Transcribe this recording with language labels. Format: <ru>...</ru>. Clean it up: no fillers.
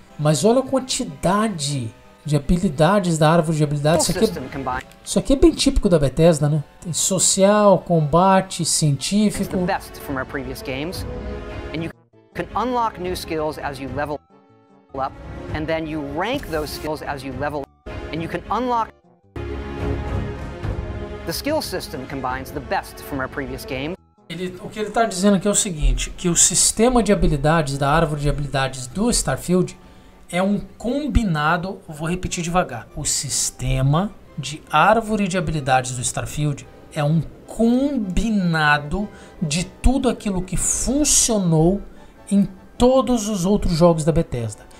<pt>Mas olha a quantidade de habilidades da árvore de habilidades. Isso aqui é bem típico da Bethesda, né? Tem social, combate, científico.</pt> <en>It's the best from our previous games. And you can unlock new skills as you level up. And then you rank those skills as you level up. And you can unlock. The skill system combines the best from our previous game.</en> <pt>O que ele está dizendo aqui é o seguinte, que o sistema de habilidades da árvore de habilidades do Starfield é um combinado, vou repetir devagar, o sistema de árvore de habilidades do Starfield é um combinado de tudo aquilo que funcionou em todos os outros jogos da Bethesda.</pt>